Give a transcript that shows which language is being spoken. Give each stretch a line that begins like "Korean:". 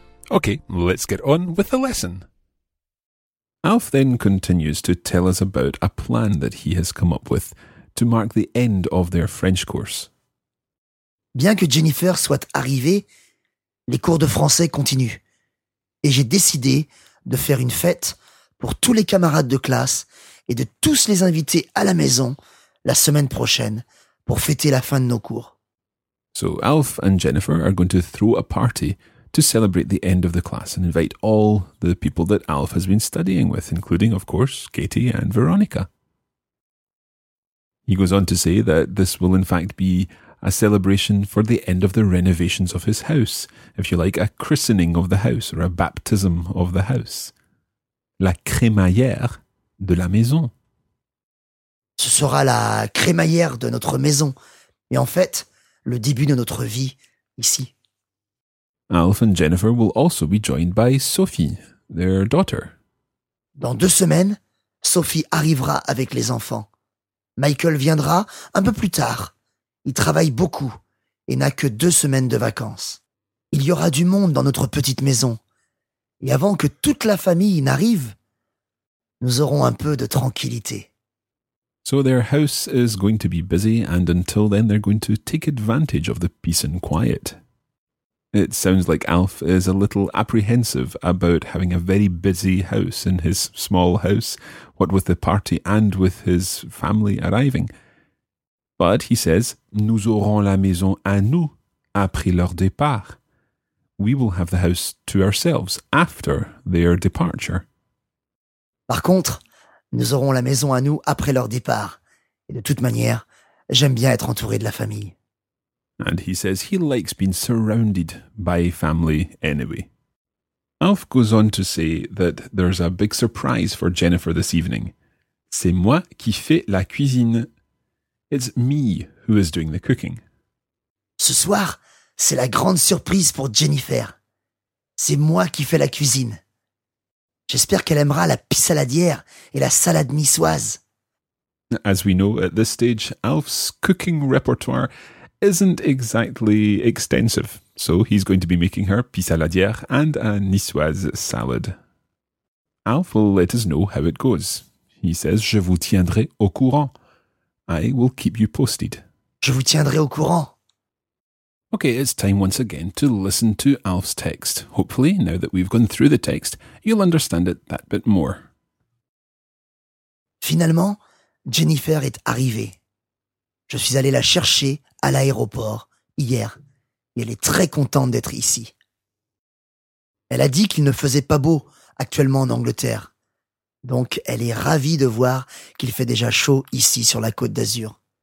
English: Okay, let's get on with the lesson. Alf then continues to tell us about a plan that he has come up with to mark the end of their French course.
French: Bien que Jennifer soit arrivée, les cours de français continuent. Et j'ai décidé de faire une fête pour tous les camarades de classe et de tous les invités à la maison la semaine prochaine pour fêter la fin de nos cours.
English: So Alf and Jennifer are going to throw a party to celebrate the end of the class and invite all the people that Alf has been studying with, including, of course, Katie and Veronica. He goes on to say that this will in fact be a celebration for the end of the renovations of his house, if you like, a christening of the house or a baptism of the house.
French: La crémaillère de la maison. Ce sera la crémaillère de notre maison et en fait, le début de notre vie ici.
English: Alf and Jennifer will also be joined by Sophie, their daughter.
French: Dans deux semaines, Sophie arrivera avec les enfants. Michael viendra un peu plus tard. Il travaille beaucoup et n'a que deux semaines de vacances. Il y aura du monde dans notre petite maison. Et avant que toute la famille n'arrive, nous aurons un peu de tranquillité.
English: So their house is going to be busy and until then they're going to take advantage of the peace and quiet. It sounds like Alf is a little apprehensive about having a very busy house in his small house, what with the party and with his family arriving. But he says,
French: nous aurons la maison à nous après leur départ.
English: We will have the house to ourselves after their departure.
French: Par contre, nous aurons la maison à nous après leur départ. Et de toute manière, j'aime bien être entouré de la famille.
English: And he says he likes being surrounded by family anyway. Alf goes on to say that there's a big surprise for Jennifer this evening.
French: C'est moi qui fais la cuisine.
English: It's me who is doing the cooking.
French: Ce soir, c'est la grande surprise pour Jennifer. C'est moi qui fais la cuisine. J'espère qu'elle aimera la pissaladière et la salade niçoise.
English: As we know, at this stage, Alf's cooking repertoire isn't exactly extensive. So he's going to be making her pis à la dière and a niçoise salad. Alf will let us know how it goes. He says,
French: je vous tiendrai au courant.
English: I will keep you posted.
French: Je vous tiendrai au courant.
English: Okay, it's time once again to listen to Alf's text. Hopefully, now that we've gone through the text, you'll understand it that bit more.
French: Finalement, Jennifer est arrivée. Je suis allé la chercher à l'aéroport hier. Et elle est très contente d'être ici. Elle a dit qu'il ne faisait pas beau actuellement en Angleterre. Donc, elle est ravie de voir qu'il fait déjà chaud ici sur la Côte d'Azur.